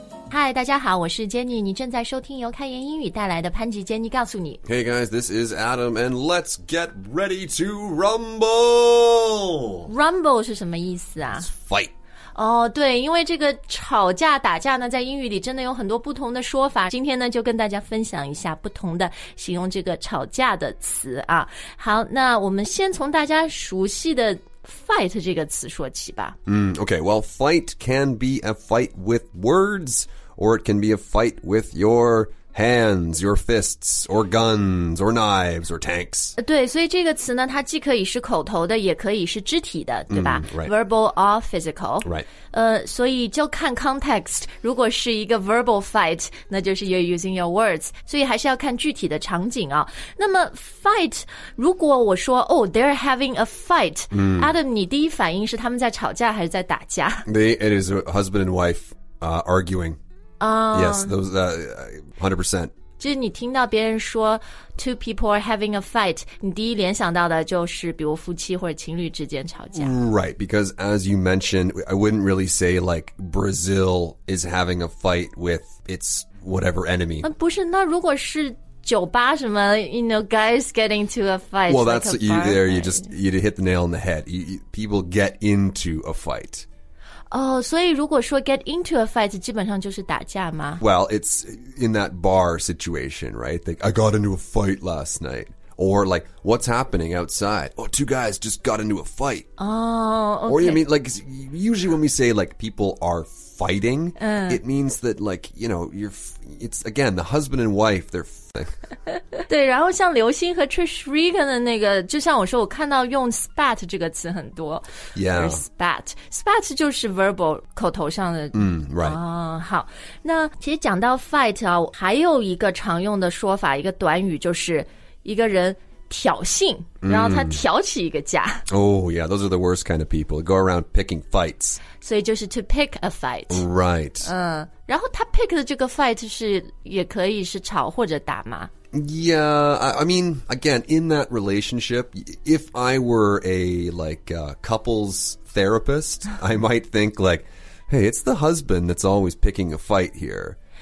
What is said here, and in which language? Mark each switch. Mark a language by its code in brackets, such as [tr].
[zh] 嗨，大家好，我是 Jenny， 你正在收听由开言英语带来的潘吉 Jenny 告诉你。 [en] Hey guys, this is Adam, and let's get ready to rumble! [zh] Rumble 是什么意思啊？ [en] It's fight. [zh] 哦、oh, 对，因为这个吵架打架呢在英语里真的有很多不同的说法，今天呢就跟大家分享一下不同的形容这个吵架的词啊。好，那我们先从大家熟悉的 fight 这个词说起吧。 [en] Okay, well, fight can be a fight with words, or it can be a fight with your hands, your fists, or guns, or knives, or tanks. [zh] 对，所以这个词呢，它既可以是口头的，也可以是肢体的，对吧？ [en] Right. Verbal or physical. Right. [zh] 所以就看 context, 如果是一个 verbal fight, 那就是 [en] you're using your words. [zh] 所以还是要看具体的场景啊。那么 fight, 如果我说 [en] oh, they're having a fight,、 mm. [zh] Adam, 你第一反应是他们在吵架还是在打架？ [en] It is a husband and wife, arguing. Yes, those, 100%. [zh] 就是你听到别人说 [en] two people are having a fight, [zh] 你第一联想到的就是比如夫妻或者情侣之间吵架。 [en] Right, because as you mentioned, I wouldn't really say like Brazil is having a fight with its whatever enemy. [zh] 不是，那如果是酒吧什么 [en] you know, guys get into a fight. Well, that's, like, you hit the nail on the head. People get into a fight. [zh] Oh, 所以如果说 [en] get into a fight, [zh] 基本上就是打架吗? [en] Well, it's in that bar situation, right? Like, I got into a fight last night. Or like, what's happening outside? Oh, two guys just got into a fight. Oh, okay. Or you mean, like, usually when we say, like, people are fighting,、it means that, like, you know, it's, again, the husband and wife, they're fighting. [zh] 对，然后像刘星和 Trish Regan 的那个，就像我说，我看到用 spat 这个词很多。 [en] Yeah. [zh] Spat 就是 verbal, 口头上的。 [en] Right. [zh] 好，那其实讲到 fight 啊，还有一个常用的说法，一个短语就是一个人挑衅，然后他挑起一个架。 [en] Oh yeah, those are the worst kind of people. Go around picking fights. [zh] 所以就是 [en] to pick a fight. Right. [zh] 然后他 pick 的这个 fight 是也可以是吵或者打吗？ [en] Yeah, I mean, again, in that relationship, if I were a, like, a couples therapist, I might think like, hey, it's the husband that's always picking a fight here.